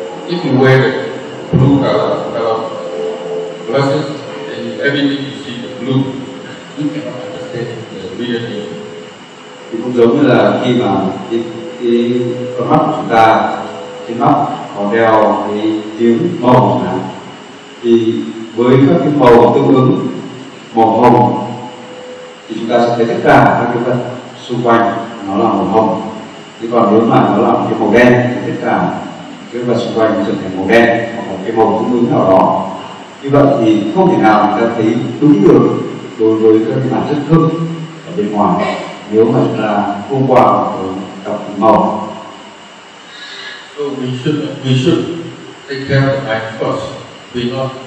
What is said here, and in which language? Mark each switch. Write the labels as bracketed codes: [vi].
[en] If you wear the blue color glasses, then everything you see the blue, you cannot understand the reality. [vi] Thì cũng giống như là khi mà cái con mắt của chúng ta, cái mắt có đeo cái kính màu nào, thì với các cái màu tương ứng, màu hồng, thì chúng ta sẽ thấy tất cả các cái vật xung quanh nó là màu hồng. Thế còn nếu mà nó là cái màu đen thì tất cả cái vật xung quanh trở thành màu đen hoặc cái màu tương ứng nào đó. Như vậy thì không thể nào chúng ta thấy đúng được đối với các cái bản chất thức ở bên ngoài nếu mà chúng ta không qua tập màu. [en] So we should take care of the mind first.